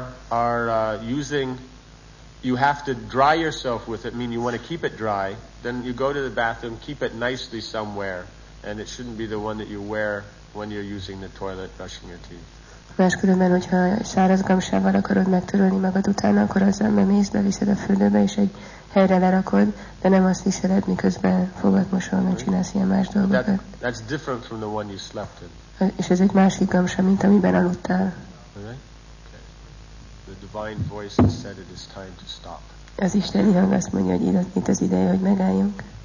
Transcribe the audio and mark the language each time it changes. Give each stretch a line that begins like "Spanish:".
English: Otherwise, if you are using you have to dry yourself with it, meaning you want to keep it dry, then you go to the bathroom, keep it nicely somewhere, and it shouldn't be the one that you wear when you're using the toilet, brushing your teeth.
Hungarian: Máskülönben, hogyha száraz gamsával akarod megtörölni magad utána, akkor azzal bemész, leviszed a fürdőbe, és egy helyre lerakod, de nem azt viseled, miközben fogad mosolni, hogy csinálsz ilyen más dolgokat.
English: That's different from the one you slept in.
Hungarian: És ez egy másik gamsa, mint amiben aludtál.
English: The divine voice has said it is time to stop.
Hungarian: Az isteni hang azt mondja, hogy itt az ideje, hogy megálljunk.